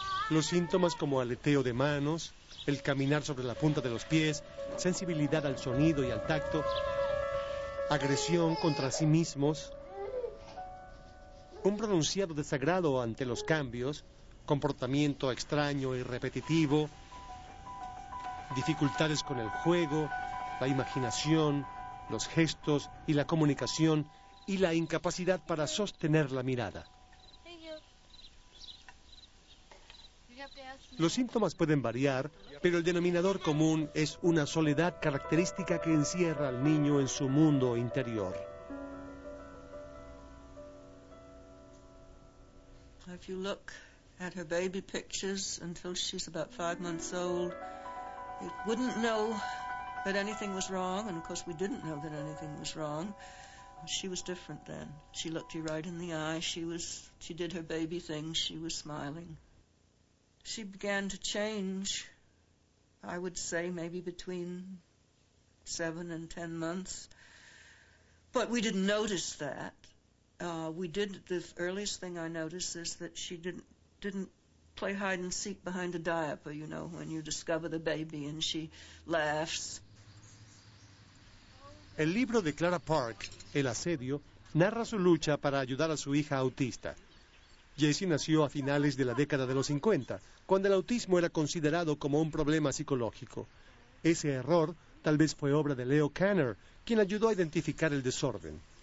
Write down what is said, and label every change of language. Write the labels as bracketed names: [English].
[Spanish] Los síntomas como aleteo de manos, el caminar sobre la punta de los pies, sensibilidad al sonido y al tacto, agresión contra sí mismos, un pronunciado desagrado ante los cambios, comportamiento extraño y repetitivo, dificultades con el juego, la imaginación, los gestos y la comunicación, y la incapacidad para sostener la mirada. Los síntomas pueden variar, pero el denominador común es una soledad característica que encierra al niño en su mundo interior. [English] If you look at her baby pictures until she's about 5 months old, you wouldn't know that anything was wrong, and of course we didn't know that anything was wrong. She was different then. She looked you right in the eye. She did her baby things. She was smiling. She began to change, I would say, maybe between 7 and 10 months. But we didn't notice that. The earliest thing I noticed is that she didn't play hide and seek behind a diaper, you know, when you discover the baby and she laughs. [Spanish] El libro de Clara Park, El Asedio, narra su lucha para ayudar a su hija autista. Jessie nació a finales de la década de los 50, cuando el autismo era considerado como un problema psicológico. Ese error tal vez fue obra de Leo Kanner, quien ayudó a identificar el desorden.